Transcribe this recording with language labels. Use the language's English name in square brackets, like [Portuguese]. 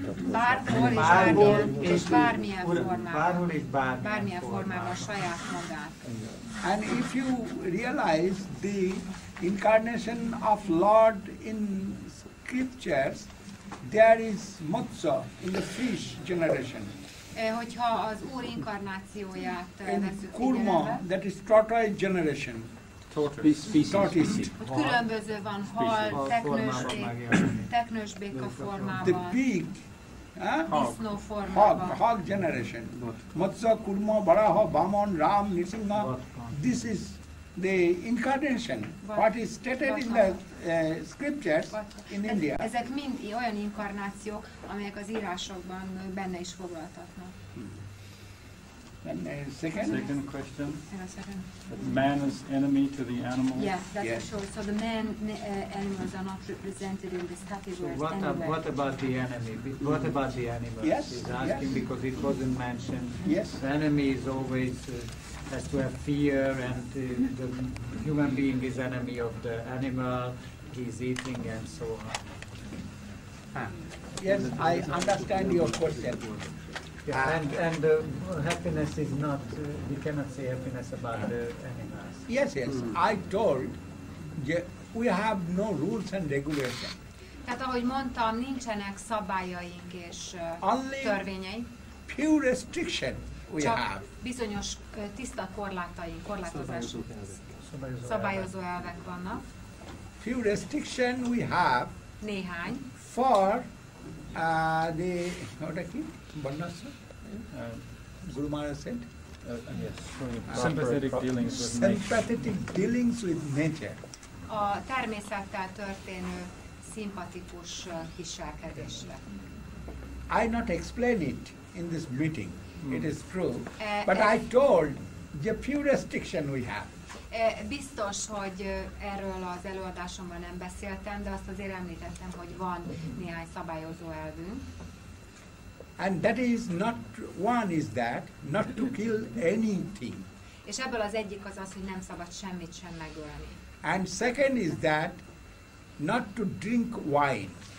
[Hungarian] Bárhol és bármilyen formában. Bármilyen formában saját magát. [English] And if you realize the incarnation of Lord in scriptures, there is mutsa in the fish generation. [Hungarian] Hogyha az Úr inkarnációját veszük figyelembe. [English] In kurma, that is tortoise generation. Tortoise. [Hungarian] Különböző van hal, teknős béka formában. [English] The pig, [Hungarian] disznó formában. [English] Hog generation. Mutsa, kurma, varaha, bamon, ram, nisinga. This is the incarnation. What is stated in the scriptures in India. [Hungarian] Ezek mind olyan inkarnációk, amelyek az írásokban benne is foglaltatnak. [English] Second question. Man is enemy to the animals. Yes, that's for sure. So the man animals are not represented in this category. So what about the enemy? What about the animals? Yes. He's asking yes. because it wasn't mentioned. Yes. The enemy is always has to have fear, and the human being is enemy of the animal. He's eating and so on. Yes, I understand your question. Yeah, and happiness is not, we cannot say happiness about the animals. Yes, yes. Mm. I told, we have no rules and regulations. [Hungarian] Tehát ahogy mondtam, nincsenek szabályaink és törvényei. [English] Few restrictions we [Hungarian] csak [English] have. [Hungarian] Csak bizonyos tiszta korlátaink, korlátozások. Szabályozó elvek vannak. [English] Few restrictions we have. [Hungarian] Néhány. [English] For the, what is it? Vanasa? Guru Maharaj said? Yes. Sympathetic dealings with nature. Sympathetic dealings with nature. [Hungarian] A természettel történő szimpatikus viselkedésre. [English] I not explain it in this meeting. Mm. It is true. But I told the few restrictions we have. [Hungarian] Biztos, hogy erről az előadásomban nem beszéltem, de azt azért említettem, hogy van néhány szabályozó elvünk. [English] And that is not one is that not to kill anything. [Hungarian] És ebből az egyik az az, hogy nem szabad semmit sem megölni. [English] And second is that not to drink wine.